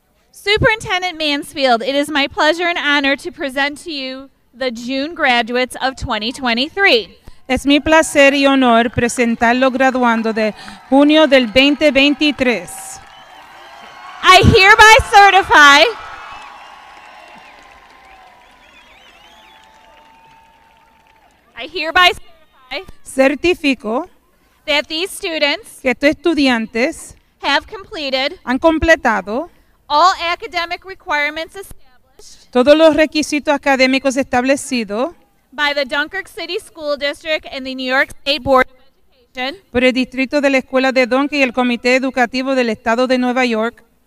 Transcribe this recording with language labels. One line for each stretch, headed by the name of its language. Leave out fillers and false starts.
English: Superintendent Mansfield, it is my pleasure and honor to present to you the June graduates of 2023.
Spanish: Es mi placer y honor presentar los graduandos de junio del 2023.
English: I hereby certify. I hereby
Spanish: certifico
English: that these students
Spanish: que estos estudiantes
English: have completed
Spanish: han completado
English: all academic requirements established
Spanish: todos los requisitos académicos establecidos
English: by the Dunkirk City School District and the New York State Board of Education
Spanish: por el distrito de la escuela de Dunkirk y el comité educativo del estado de Nueva York.